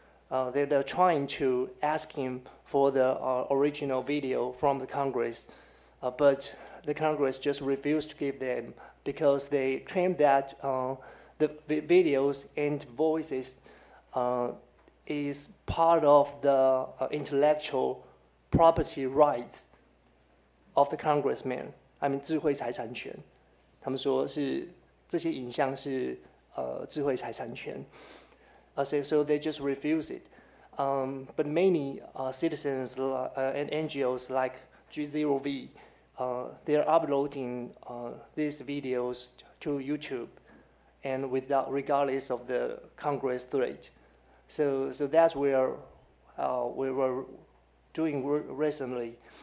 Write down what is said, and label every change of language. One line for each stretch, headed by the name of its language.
English: They're trying to ask him for the original video from the Congress, but the Congress just refused to give them because they claim that the videos and voices is part of the intellectual property rights of the congressman.
Chinese: 智慧财产权. 他们说是这些影像是 智慧财产权.
English: So they just refuse it. But many citizens and NGOs like g0v, they're uploading these videos to YouTube and without regardless of the Congress threat. So that's where we were doing recently.